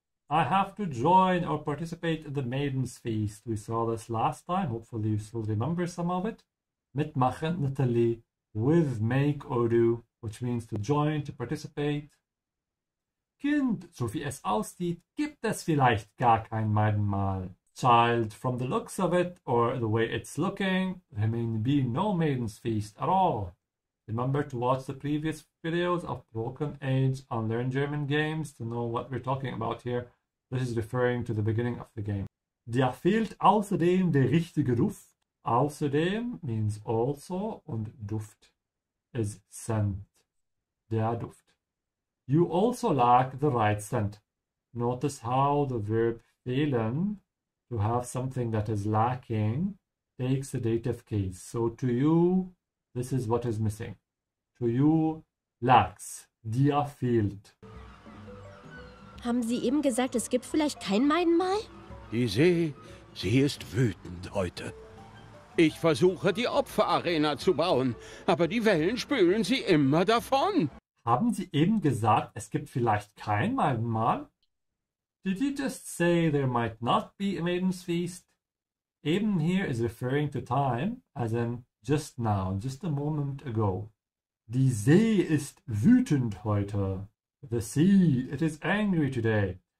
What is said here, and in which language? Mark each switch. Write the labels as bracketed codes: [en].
[en] I have to join or participate in the Maiden's Feast. We saw this last time. Hopefully you still remember some of it. Mitmachen, Natalie. With make or do, which means to join, to participate. [de] Kind, so wie es aussieht, gibt es vielleicht gar kein Maidenmahl. [en] Child, from the looks of it or the way it's looking, there may be no maiden's feast at all. Remember to watch the previous videos of Broken Age on Learn German Games to know what we're talking about here. This is referring to the beginning of the game. [de] Dir fehlt außerdem der richtige Ruf. [en] Außerdem means also, und Duft is scent, der Duft. You also lack the right scent. Notice how the verb fehlen, to have something that is lacking, takes the dative case. So to you, this is what is missing. To you, lacks, dir fehlt. [de] Haben Sie eben gesagt, es gibt vielleicht kein Maidenmahl? Die See, sie ist wütend heute. Ich versuche, die Opferarena zu bauen, aber die Wellen spülen sie immer davon. Haben Sie eben gesagt, es gibt vielleicht kein Maidenmahl? [en] Did you just say there might not be a maiden's feast? Eben here is referring to time, as in just now, just a moment ago. [de] Die See ist wütend heute. [en] The sea, it is angry today.